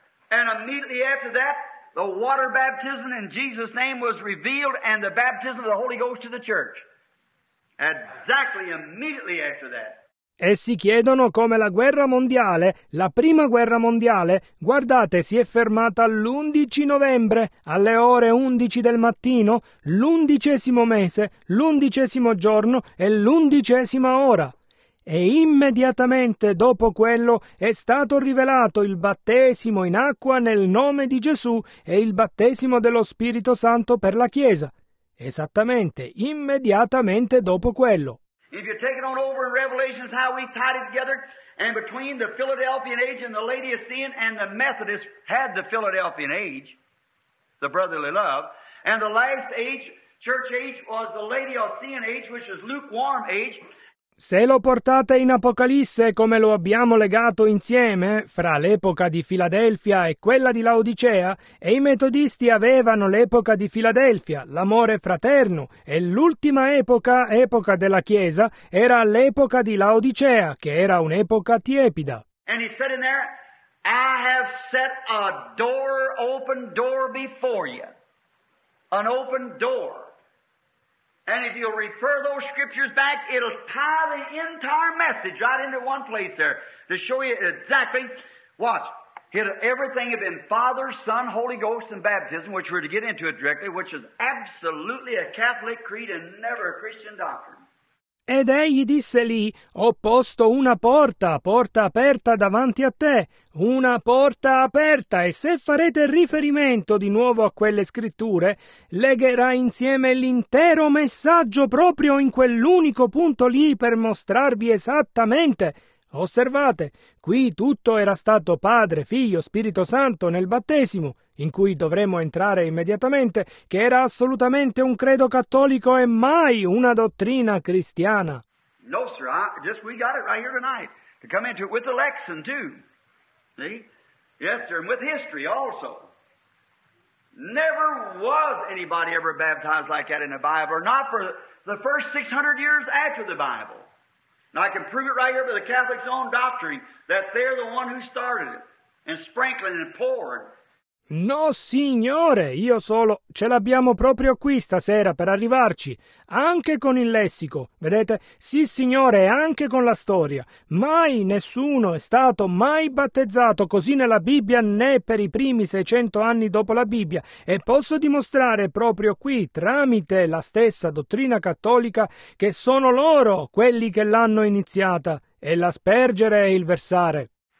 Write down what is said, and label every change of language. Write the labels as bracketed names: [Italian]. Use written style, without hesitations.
[English] And immediately after that, the water baptism in Jesus' name was revealed and the baptism of the Holy Ghost to the church. Exactly immediately after that. [Italian] E si chiedono come la guerra mondiale, la prima guerra mondiale, guardate, si è fermata l'11 novembre, alle ore 11 del mattino, l'undicesimo mese, l'undicesimo giorno e l'undicesima ora. E immediatamente dopo quello è stato rivelato il battesimo in acqua nel nome di Gesù e il battesimo dello Spirito Santo per la Chiesa. Esattamente, immediatamente dopo quello. [English] If you take it on over in Revelations, how we tied it together, and between the Philadelphian Age and the Laodicean, and the Methodists had the Philadelphian Age, the brotherly love, and the last age, church age, was the Laodicean Age, which is lukewarm age. [Italian] Se lo portate in Apocalisse come lo abbiamo legato insieme, fra l'epoca di Filadelfia e quella di Laodicea, e i metodisti avevano l'epoca di Filadelfia, l'amore fraterno, e l'ultima epoca, epoca della Chiesa, era l'epoca di Laodicea, che era un'epoca tiepida. [English] And he said in there, I have set a door, open door before you. An open door. And if you'll refer those scriptures back, it'll tie the entire message right into one place there to show you exactly, watch, everything had been Father, Son, Holy Ghost, and baptism, which we're to get into it directly, which is absolutely a Catholic creed and never a Christian doctrine. [Italian] Ed egli disse lì, ho posto una porta, porta aperta davanti a te, una porta aperta, e se farete riferimento di nuovo a quelle scritture, legherà insieme l'intero messaggio proprio in quell'unico punto lì per mostrarvi esattamente. Osservate, qui tutto era stato Padre, Figlio, Spirito Santo nel battesimo, in cui dovremmo entrare immediatamente, che era assolutamente un credo cattolico e mai una dottrina cristiana. [English] No, sir, we got it right here tonight, to come into it with the lexicon too. See? Yes, sir, and with history also. Never was anybody ever baptized like that in the Bible, or not for the first 600 years after the Bible. And I can prove it right here by the Catholic's own doctrine, that they're the one who started it, and sprinkling and poured. [Italian] No, signore, io solo. Ce l'abbiamo proprio qui stasera per arrivarci, anche con il lessico, vedete? Sì, signore, anche con la storia. Mai nessuno è stato mai battezzato così nella Bibbia né per i primi 600 anni dopo la Bibbia, e posso dimostrare proprio qui, tramite la stessa dottrina cattolica, che sono loro quelli che l'hanno iniziata, e l'aspergere e il versare.